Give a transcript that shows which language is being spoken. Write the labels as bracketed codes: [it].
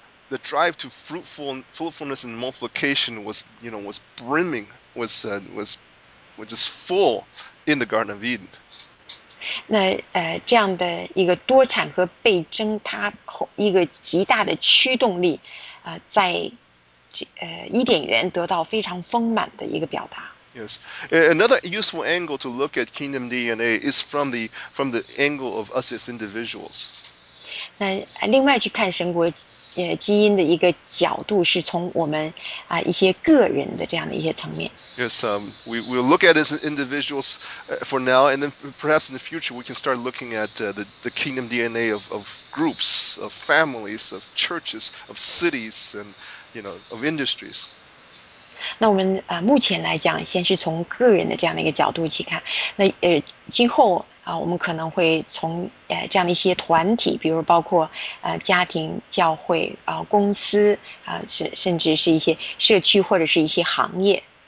[en] The drive to fruitfulness and multiplication was brimming, was just full in the Garden of Eden. [zh] 那这样的一个多产和倍增，它一个极大的驱动力，在伊甸园得到非常丰满的一个表达。 [en] Yes, another useful angle to look at kingdom DNA is from the angle of us as individuals. [zh] 那另外去看神国基因的一个角度是从我们一些个人的这样的一些层面。 [en] Yes, we'll look at it as individuals for now, and then perhaps in the future we can start looking at the kingdom DNA of groups, of families, of churches, of cities, and you know, of industries. [zh] 那我们目前来讲，先是从个人的这样的一个角度去看。那今后我们可能会从这样的一些团体，比如包括家庭、教会、公司甚至是一些社区或者是一些行业。